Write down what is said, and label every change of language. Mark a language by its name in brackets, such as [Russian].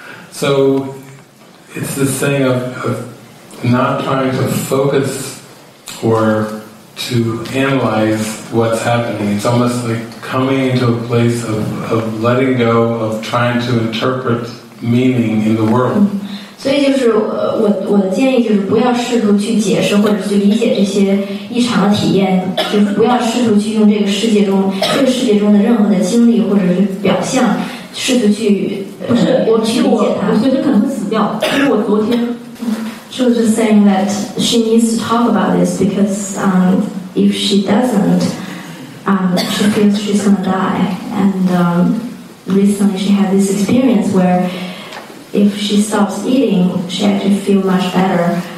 [English] So it's this thing of not trying to focus or to analyze what's happening. It's almost like coming into a place of letting go of trying to interpret meaning in the world. [Chinese] 所以就是我的建议就是不要试图去解释或者去理解这些异常的体验，就是不要试图去用这个世界中的任何的经历或者是表象试图去不是我去理解它，我随时可能会死掉，因为我昨天。 [English] She was just saying that she needs to talk about this because if she doesn't, she feels she's going to die. And recently she had this experience where if she stops eating, she actually feels much better.